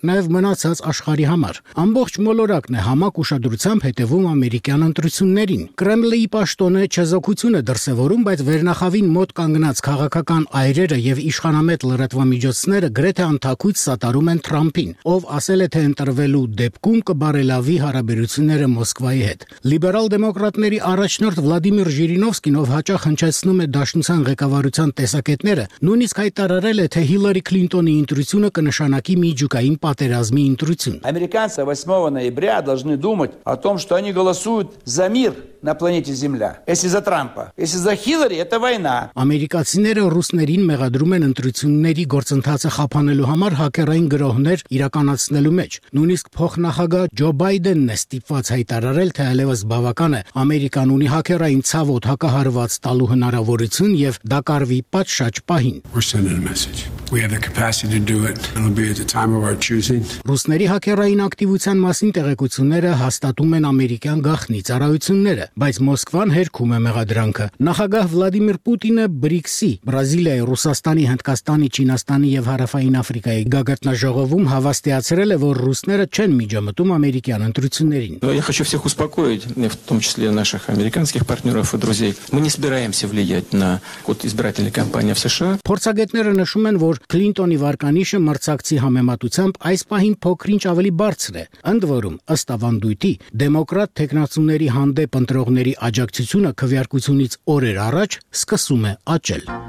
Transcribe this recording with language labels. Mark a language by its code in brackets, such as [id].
[hy] նաև մնացած աշխարհի համար։ Ամբողջ մոլորակն է համակ ուշադրությամբ հետևում ամերիկյան ընտրություններին։ Կրեմլինի պաշտոնը չեզոքություն է դրսևորում, բայց վերնախավին մոտ կանգնած քաղաքական այրերը և իշխանամետ լրատվամիջոցները գրեթե անթաքույց սատարում են Թրամփին, ով ասել է, թե ընտրվելու դեպքում կբարելավի հարաբերությունները Մոսկվայի հետ։ Լիբերալ դեմոկրատների առաջնորդ Վլադիմիր Ժիրինովսկին, ով հաճախ հնչեցնում է Դաշնության ղեկավարության տեսակետները, նույնիսկ հայտարարել է, թե Հիլարի Քլինտոնի ընտրությունը կնշանակի միջուկային պատերազմի ընտրություն։ [ru] Американцы 8 ноября должны думать о том, что они голосуют за мир на планете Земля. Если за Трампа, если за Хиллари это война. [hy] Американցիները ռուսներին մեղադրում են ընտրությունների գործընթացը խափանելու համար հակերային գրոհներ իրականացնելու մեջ։ Նույնիսկ փոխնախագահ Ջո Բայդենն է ստիպված հայտարարել, թե այլևս բավական է, Ամերիկան ունի հակերային ցավոտ հակահարված տալու հնարավորություն և դա կարվի պատշաճ պահին։ [en] We have the capacity to do it. It'll be at the time of our choosing. [hy] Ռուսների հակերային ակտիվության մասին տեղեկությունները հաստատում են ամերիկյան գաղտնի ծառայությունները, բայց Մոսկվան հերքում է մեղադրանքը։ Նախագահ Վլադիմիր Պուտինը BRICS-ի, Բրազիլիայի, Ռուսաստանի, Հնդկաստանի, Չինաստանի և Հարավային Աֆրիկայի գագաթնաժողովում հավաստիացրել է, որ ռուսները չեն միջամտում ամերիկյան ընտրություններին։ [ru] Я хочу всех успокоить, в том числе наших американских партнёров и друзей. Мы не собираемся влиять на ход избирательной кампании в США. [hy] Փորձագետները նշում են, որ Քլինտոնի վարկանիշը մրցակցի համեմատությամբ այս պահին փոքրինչ ավելի բարձր է։ Ընդ որում, ըստ ավանդույթի, դեմոկրատ տեխնացուների հանդեպ ընտրողների աջակցությունը քվեարկությունից օրեր առաջ սկսում է աճել։